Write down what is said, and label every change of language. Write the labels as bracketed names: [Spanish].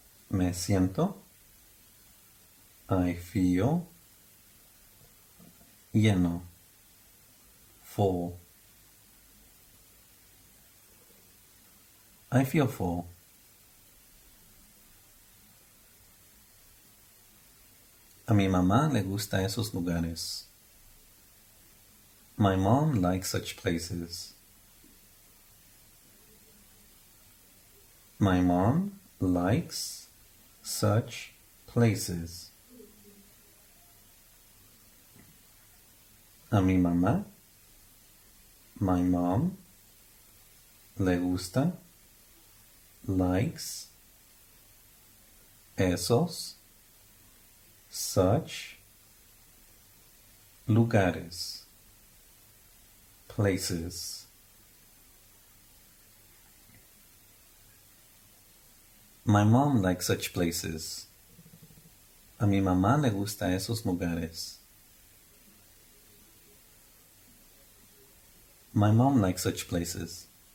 [Spanish] Me siento. [English] I feel [Spanish] lleno, [English] full. I feel full. [Spanish] A mi mamá le gusta esos lugares. [English] My mom likes such places. My mom likes such places. [Spanish] A mi mamá, [English] my mom [Spanish] le gusta, [English] likes, [Spanish] esos, [English] such, [Spanish] lugares, [English] places. My mom likes such places. [Spanish] A mi mamá le gusta esos lugares. [English] My mom likes such places.